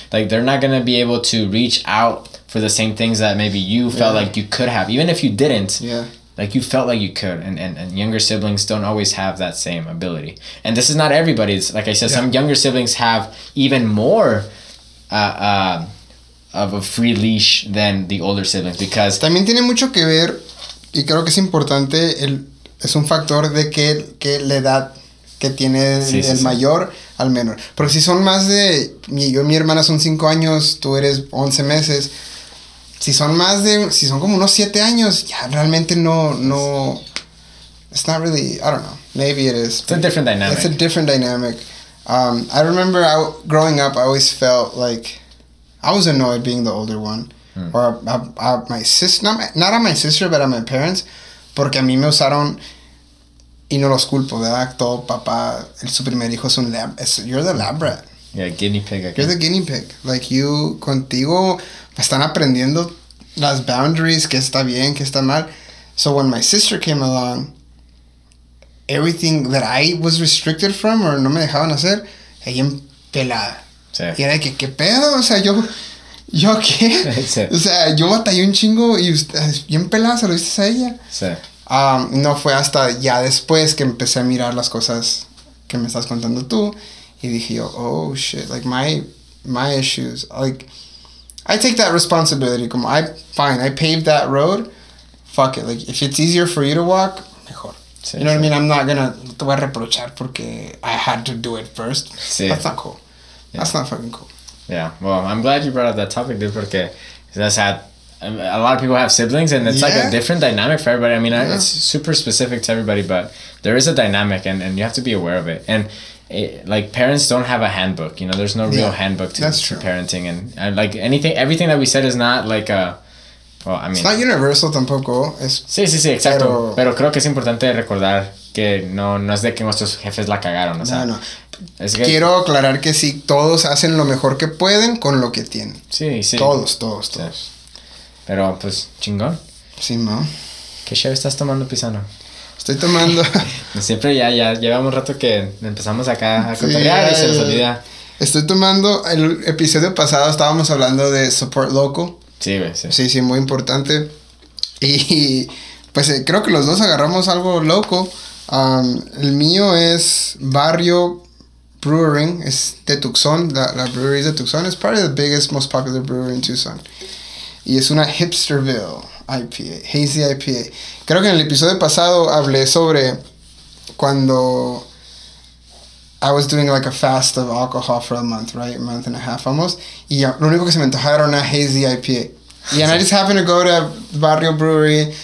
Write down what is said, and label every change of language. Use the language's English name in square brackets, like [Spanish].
[English] Like, they're not gonna be able to reach out for the same things that maybe you felt like you could have, even if you didn't. Yeah. Like, you felt like you could, and younger siblings don't always have that same ability. And this is not everybody's. Like I said, some younger siblings have even more of a free leash than the older siblings, because [Spanish] también tiene mucho que ver, y creo que es importante, es un factor de que la edad que tiene el mayor al menor. Porque si son más de, yo y mi hermana son 5 años, tú eres 11 meses, si son como unos 7 años, ya realmente no, [English] it's not really, I don't know, maybe it is. It's a different dynamic. It's a different dynamic. I remember growing up, I always felt like I was annoyed being the older one. Hmm. Or my sister, not at my sister, but at my parents, [Spanish] porque a mí me usaron. Y no los culpo, ¿verdad? Todo papá, su primer hijo es un lab. [English] You're the lab rat. Yeah, guinea pig. You're the guinea pig. Like, you, [Spanish] contigo, están aprendiendo las boundaries, qué está bien, qué está mal. [English] So when my sister came along, everything that I was restricted from, or [Spanish] no me dejaban hacer, ella en pelada. Sí. Y era de que, ¿qué pedo? O sea, ¿yo qué? Sí. O sea, yo batallé un chingo y bien pelada, ¿se lo viste a ella? Sí. No fue hasta ya después que empecé a mirar las cosas que me estás contando tú. Y dije yo, [English] oh, shit, like, my issues. Like, I take that responsibility. [Spanish] Como, [English] I paved that road. Fuck it. Like, if it's easier for you to walk, [Spanish] mejor. Sí, [English] you know what I mean? I'm not gonna, [Spanish] no te voy a reprochar porque [English] I had to do it first. [Spanish] Sí. [English] That's not cool. Yeah. That's not fucking cool. Yeah. Well, I'm glad you brought up that topic, dude, [Spanish] porque [English] that's had a lot of people have siblings, and it's like a different dynamic for everybody. I mean, it's super specific to everybody, but there is a dynamic, and you have to be aware of it. And like, parents don't have a handbook, you know, there's no real handbook to parenting. And like, everything that we said is not like a, well, I mean, it's not universal [Spanish] tampoco. Sí, exacto. Pero creo que es importante recordar que no es de que nuestros jefes la cagaron. O sea, no. Es que quiero aclarar que sí, todos hacen lo mejor que pueden con lo que tienen. Sí. Todos. Sí. Pero, pues, chingón. Sí, ¿no? ¿Qué chévere estás tomando, Pisano? Estoy tomando. Siempre ya llevamos rato que empezamos acá a cotorrear y se nos olvida. Estoy tomando, el episodio pasado estábamos hablando de support local. Sí, güey, sí. Sí, muy importante. Y pues creo que los dos agarramos algo loco. El mío es Barrio Brewing, es de Tucson. La brewery de Tucson es [English] part of the biggest, most popular brewery in Tucson. [Spanish] Y es una Hipsterville IPA, Hazy IPA. Creo que en el episodio pasado hablé sobre cuando [English] I was doing like a fast of alcohol for a month, right? A month and a half almost. [Spanish] Y lo único que se me antojaba era una Hazy IPA. [English] And I just happened to go to Barrio Brewery.